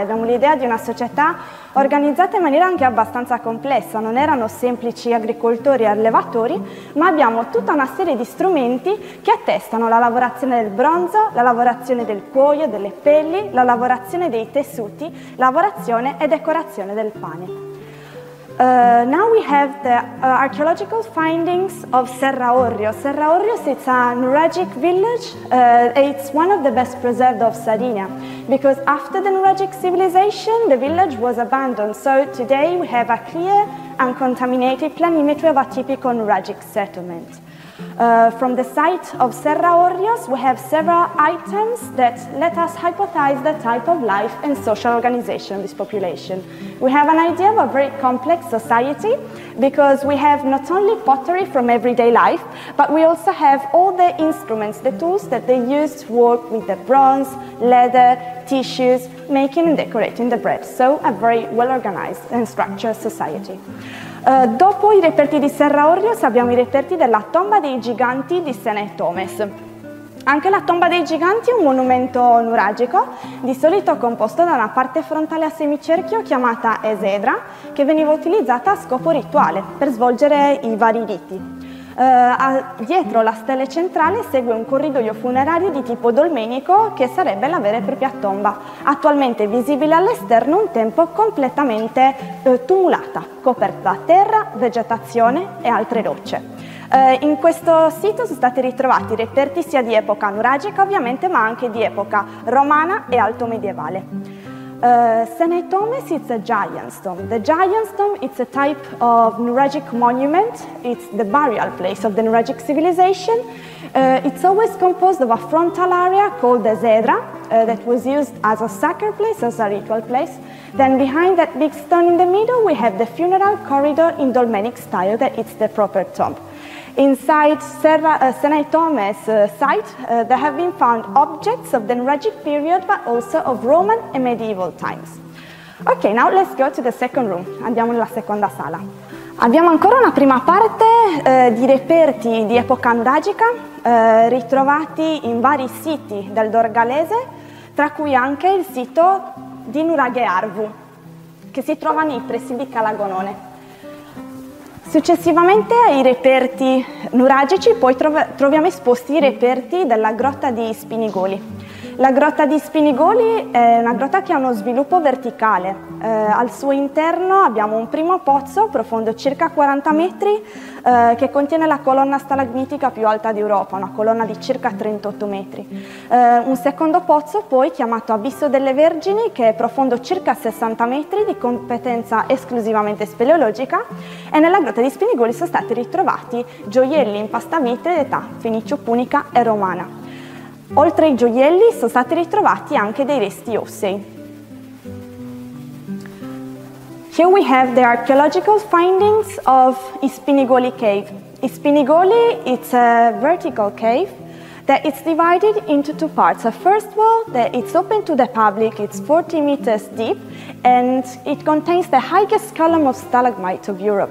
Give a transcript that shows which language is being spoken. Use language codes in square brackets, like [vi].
[it] Abbiamo l'idea di una società organizzata in maniera anche abbastanza complessa, non erano semplici agricoltori e allevatori, ma abbiamo tutta una serie di strumenti che attestano la lavorazione del bronzo, la lavorazione del cuoio, delle pelli, la lavorazione dei tessuti, lavorazione e decorazione del pane. [en] Now we have the archaeological findings of Serra Ordios. Serra Ordios is a nuragic village. It's one of the best preserved of Sardinia because after the nuragic civilization, the village was abandoned. So today we have a clear and contaminated planimetry of a typical nuragic settlement. From the site of Serra Ordios, we have several items that let us hypothesize the type of life and social organization of this population. We have an idea of a very complex society because we have not only pottery from everyday life, but we also have all the instruments, the tools that they use to work with the bronze, leather, tissues, making and decorating the bread. So a very well-organized and structured society. [it] Dopo i reperti di Serra Ordios abbiamo i reperti della tomba dei giganti di Senetomes. Anche la tomba dei giganti è un monumento nuragico, di solito composto da una parte frontale a semicerchio chiamata esedra, che veniva utilizzata a scopo rituale per svolgere i vari riti. Dietro la stele centrale segue un corridoio funerario di tipo dolmenico che sarebbe la vera e propria tomba, attualmente visibile all'esterno un tempo completamente tumulata, coperta da terra, vegetazione e altre rocce. In questo sito sono stati ritrovati reperti sia di epoca nuragica ovviamente, ma anche di epoca romana e alto medievale. [en] Senetomes is a giant stone. The giant stone is a type of nuragic monument. It's the burial place of the nuragic civilization. It's always composed of a frontal area called the zedra that was used as a sacred place, as a ritual place. Then behind that big stone in the middle, we have the funeral corridor in dolmenic style that it's the proper tomb. Inside Senetomes site, there have been found objects of the nuragic period, but also of Roman and medieval times. Okay, now let's go to the second room. [it] Andiamo nella seconda sala. Abbiamo ancora una prima parte di reperti di epoca nuragica ritrovati in vari siti del Dorgalese, tra cui anche il sito di Nuraghe Arvu, che si trova nei pressi di Calagonone. Successivamente ai reperti nuragici poi troviamo esposti i reperti della grotta di Spinigoli. La grotta di Spinigoli è una grotta che ha uno sviluppo verticale. Al suo interno abbiamo un primo pozzo profondo circa 40 metri che contiene la colonna stalagmitica più alta d'Europa, una colonna di circa 38 metri. Un secondo pozzo poi chiamato Abisso delle Vergini, che è profondo circa 60 metri, di competenza esclusivamente speleologica, e nella grotta di Spinigoli sono stati ritrovati gioielli in pasta mitre d'età fenicio-punica e romana. Oltre ai gioielli sono stati ritrovati anche dei resti ossei. [en] Here we have the archaeological findings of Ispinigoli Cave. Ispinigoli is a vertical cave that is divided into two parts. A first wall that is open to the public, it's 40 meters deep, and it contains the highest column of stalagmite of Europe.